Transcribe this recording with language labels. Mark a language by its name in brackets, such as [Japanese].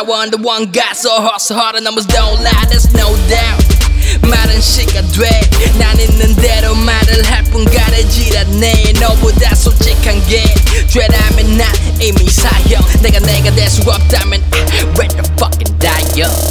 [English] The one guy, so hustle harder, numbers don't lie, there's no doubt. [Korean] 말은 시가 돼, 난 있는 대로 말을 할 뿐 가르지라네. 너보다 솔직한 게 죄라면 난 이미 사형. 내가 될 수 없다면 [English] I ready to fucking die, yo.